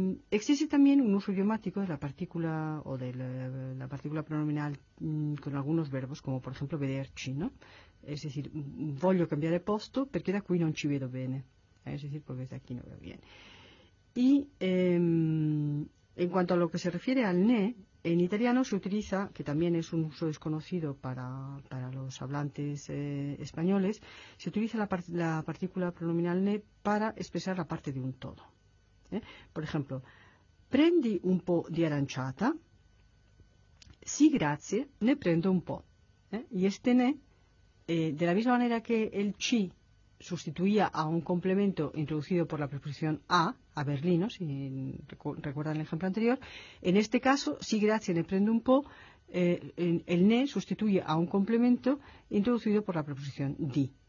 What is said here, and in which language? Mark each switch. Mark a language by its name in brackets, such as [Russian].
[Spanish] Existe también un uso idiomático de la partícula o de la partícula pronominal con algunos verbos, como por ejemplo vederci, ¿no? Es decir, [Italian] voglio cambiare posto perché da qui non ci vedo bene. [Spanish] Es decir, porque desde aquí no veo bien. Y en cuanto a lo que se refiere al ne, en italiano se utiliza, que también es un uso desconocido para los hablantes españoles, se utiliza la partícula pronominal ne para expresar la parte de un todo. Por ejemplo, [Italian] prendi un po' di aranciata. Sí, grazie, ne prendo un po'. [Spanish] Y este ne, de la misma manera que el chi sustituía a un complemento introducido por la preposición a Berlino, si recuerdan el ejemplo anterior, en este caso, sí, [Italian] grazie, ne prendo un po', [Spanish] el ne sustituye a un complemento introducido por la preposición di.